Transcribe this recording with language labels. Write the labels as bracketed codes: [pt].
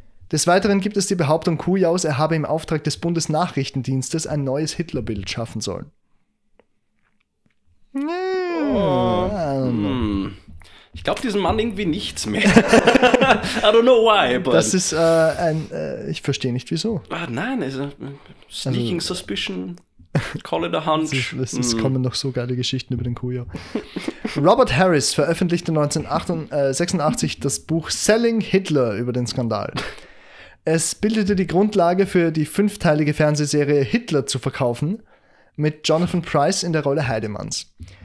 [de] Des Weiteren gibt es die Behauptung Kujaus, er habe im Auftrag des Bundesnachrichtendienstes ein neues Hitlerbild schaffen sollen. Ich glaube diesem Mann irgendwie nichts mehr. [en] I don't know why, but... [de] Das ist ich verstehe nicht, wieso. Ah, nein, also [en] sneaking also, suspicion, call it a hunch. [de] Es kommen noch so geile Geschichten über den Kujau. Robert Harris veröffentlichte 1986 das Buch Selling Hitler über den Skandal. Es bildete die Grundlage für die fünfteilige Fernsehserie Hitler zu verkaufen, mit Jonathan Pryce in der Rolle Heidemanns.